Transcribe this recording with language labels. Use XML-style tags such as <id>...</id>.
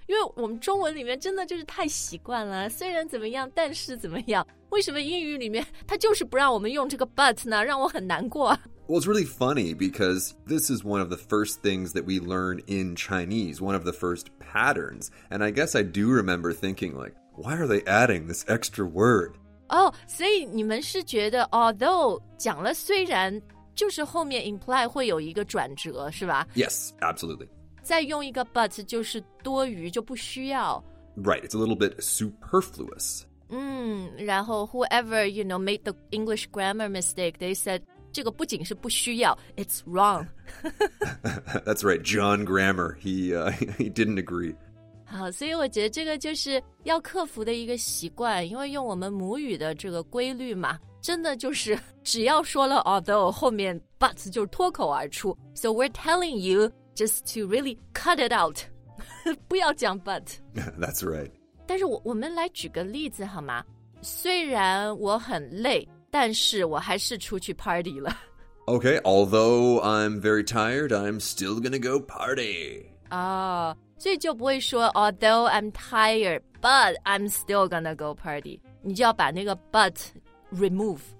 <zh>因为我们中文里面真的就是太习惯了，虽然怎么样，但是怎么样？为什么英语里面它就是不让我们用这个 but 呢？让我很难过。</zh> <en>Well, it's really funny because this is one of the first things that we learn in Chinese, one of the first patterns. And I guess I do remember thinking like,Why are they adding this extra word?</en> <zh>Oh, 所以你们是觉得 although 讲了虽然就是后面 imply 会有一个转折是吧</zh> <en>Yes, absolutely.</en> <zh>再用一个 but 就是多余就不需要</zh> <en>Right, it's a little bit superfluous.</en> <zh>然后</zh> <en>whoever, you know, made the English grammar mistake, they said,</en> <zh>这个不仅是不需要</zh> <en>it's wrong. That's right, John Grammar, he didn't agree.</en> <zh>好，所以我觉得这个就是要克服的一个习惯，因为用我们母语的这个规律嘛，真的就是只要说了 although 后面 but 就脱口而出。</zh> <en>So we're telling you just to really cut it out，</en> <zh>不要讲</zh> <en>but。 That's right。</en> <zh>但是我们来举个例子好吗？虽然我很累，但是我还是出去 party 了。</zh> <en>Okay, although I'm very tired, I'm still gonna go party.</en> <zh>所以就不会说</zh> <en>although I'm tired, but I'm still gonna go party.</en> <zh>你就要把那个 but remove.</zh>